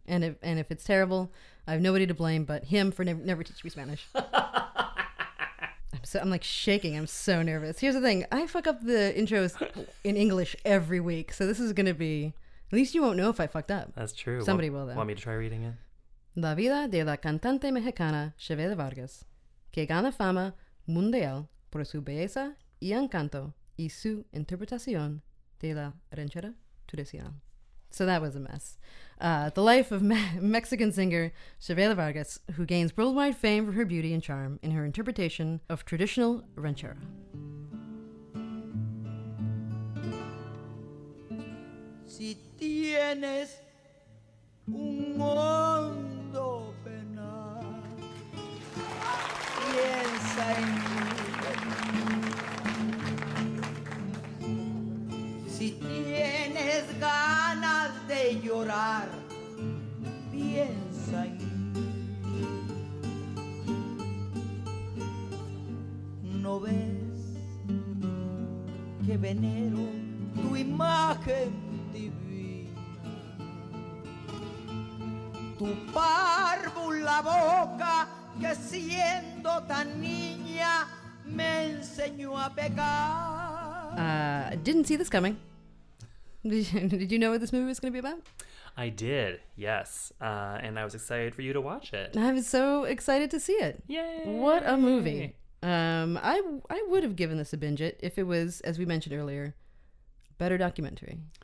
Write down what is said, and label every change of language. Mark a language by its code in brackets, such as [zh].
[en] And if it's terrible, I have nobody to blame but him for never teaching me Spanish. So I'm like shaking. I'm so nervous. Here's the thing. I fuck up the intros in English every week. So this is going to be... At least you won't know if I fucked up. That's true. Somebody will, though. Want me to try reading it? [es] La vida de la cantante mexicana Chavela Vargas, que gana fama mundial por su belleza y encanto y su interpretación de la ranchera tradicional. [en] So that was a mess. The life of Mexican singer Chavela Vargas, who gains worldwide fame for her beauty and charm in her interpretation of traditional ranchera. [es] si tienes un mundo penal, piensa en mí. Si tienes ganas de llorar, piensa en mí. ¿No ves que venero tu imagen divina? Tu párvula boca que siendo tan niña me enseñó a pecar. [en] Didn't see this coming. Did you know what this movie was going to be about? I did, yes. And I was excited for you to watch it. I was so excited to see it. Yay! What a movie. I would have given this a binge it if it was, as we mentioned earlier, better documentary.